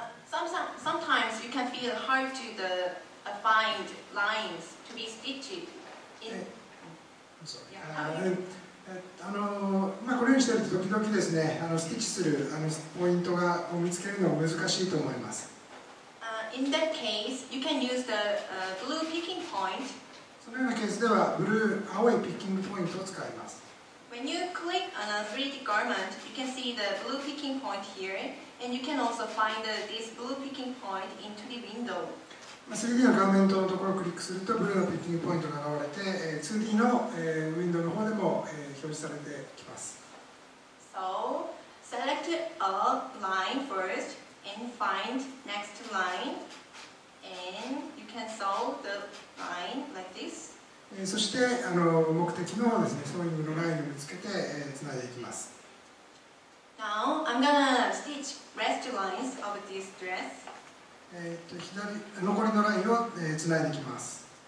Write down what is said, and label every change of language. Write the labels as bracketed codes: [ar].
[en] Sometimes you can feel hard to the find lines to be stitched in. [ja] これにしてると時々ですね、スティッチするポイントが見つけるのが難しいと思います。 [en] In that case, you can use the blue picking point. [ja] そのようなケースでは、ブルー、青いピッキングポイントを使います。 [en] When you click on a 3D garment, you can see the blue picking point here, and you can also find this blue picking point in 2D window. [ja] 3D の画面のところをクリックすると、ブルーのピッキングポイントが現れて、2D のウィンドウの方でも表示されてきます。 [en] So, select a line first, and find next line, and you can solve the line like this. [ja] そして目的のですね、ソーイングのラインをつけて、つないでいきます。 [en] Now I'm gonna stitch rest lines of this dress. [ja] 左残りのラインをつないでいきます。